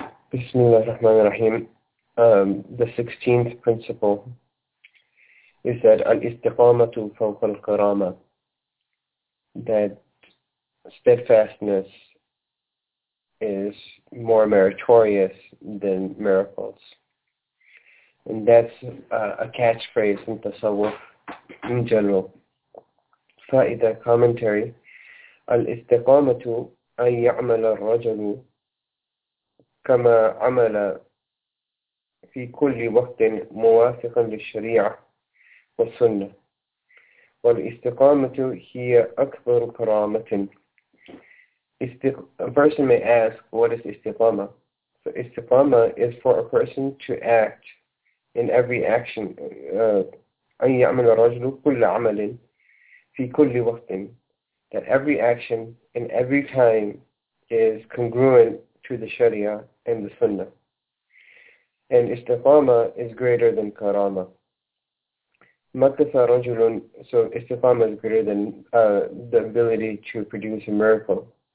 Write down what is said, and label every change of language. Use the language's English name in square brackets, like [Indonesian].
[English] Bismillah ar-Rahman ar-Rahim. The 16th principle is that [Arabic] al-istiqamatu fawqa al-qirama, [English] that steadfastness is more meritorious than miracles. And that's a catchphrase in tasawwuf in general. [Arabic] Fa'idah [English] commentary, [Arabic] al-istiqamatu an ya'mala ar-rajulu كما عمل في كل وقت موافقا للشريعة والسنة. والاستقامة هي أكبر كرامة. [English] A person may ask, what is istiqama? So istiqama is for a person to act in every action. [Arabic] أن يعمل الرجل كل عمل في كل وقت. [English] That every action and every time is congruent to the Sharia and the Sunnah. And istiqama is greater than karama. [Arabic] Makatha rajulun, [English] so istiqama is greater than the ability to produce a miracle.